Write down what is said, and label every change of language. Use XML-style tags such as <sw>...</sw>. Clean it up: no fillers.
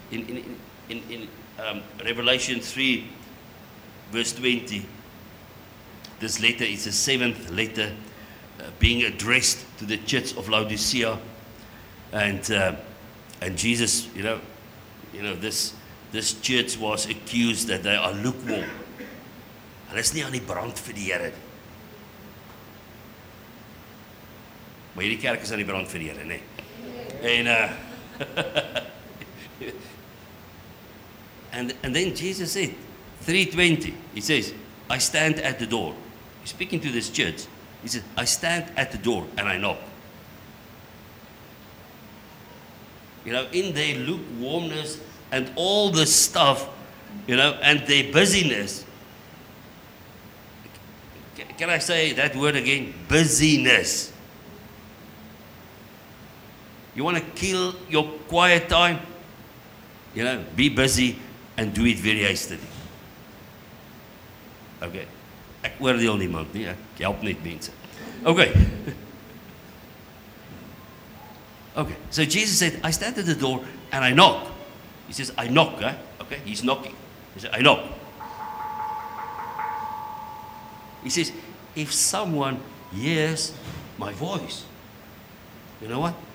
<en>In Revelation 3, verse 20, this letter, it's the seventh letter being addressed to the church of Laodicea. And Jesus, you know, this church was accused that they are lukewarm.</en> <af>Hulle is nie aan die brand vir die Here. Maar hierdie kerk is aan die brand vir die Here, nê?</af> <en>And then Jesus said, 3:20, he says, I stand at the door. He's speaking to this church. He says, I stand at the door and I knock. You know, in their lukewarmness and all the stuff, you know, and their busyness. Can I say that word again? Busyness. You want to kill your quiet time? You know, be busy and do it very hastily. Okay.</en> <af>Ek oordeel niemand nie, ek help net mense.</af> <en>Okay. Okay, so Jesus said, I stand at the door and I knock. He says, I knock, eh? Okay, he's knocking. He said, I knock. He says, if someone hears my voice, you know what?</en>